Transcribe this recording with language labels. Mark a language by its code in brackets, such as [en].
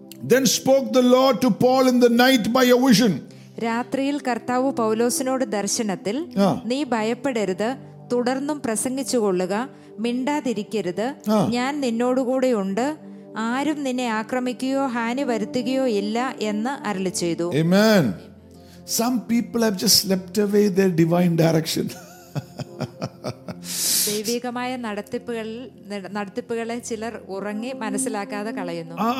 [en] Then spoke the Lord to Paul in the night by a vision. [ml] രാത്രിയിൽ കർത്താവ് പൗലോസിനോട് ദർശനത്തിൽ, നീ ഭയപ്പെടരുത്, തുടർന്നും പ്രസംഗിച്ചുകൊള്ളുക, മിണ്ടാതിരിക്കരുത്, ഞാൻ നിന്നോടുകൂടെ ഉണ്ട്, ആരും നിന്നെ ആക്രമിക്കുകയോ ഹാനി വരുത്തുകയോ ഇല്ല എന്ന് അരുളി ചെയ്തു. ആമേൻ. [en] Some people have just slept away their divine direction. [ml] ദൈവികമായ നടത്തിപ്പുകളെ ചിലർ ഉറങ്ങി മനസ്സിലാക്കാതെ കളയുന്നു.